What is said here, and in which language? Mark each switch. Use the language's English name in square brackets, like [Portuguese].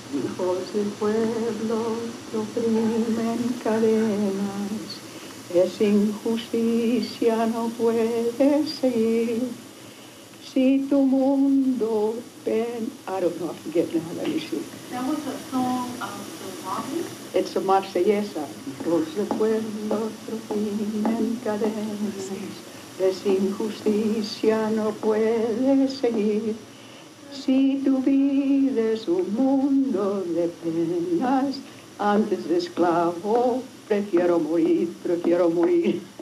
[Spanish] Hijos del pueblo que oprimen cadenas, es injusticia, no puede seguir. Si tu mundo ven, [English] I don't know, I forget now, let me see. That was a song of the Marseillaise? It's a Marseillaise. [Spanish] Hijos del pueblo que oprimen cadenas, es injusticia, no puede seguir. Si tu vida es un mundo de penas, antes de esclavo, prefiero morir, prefiero morir.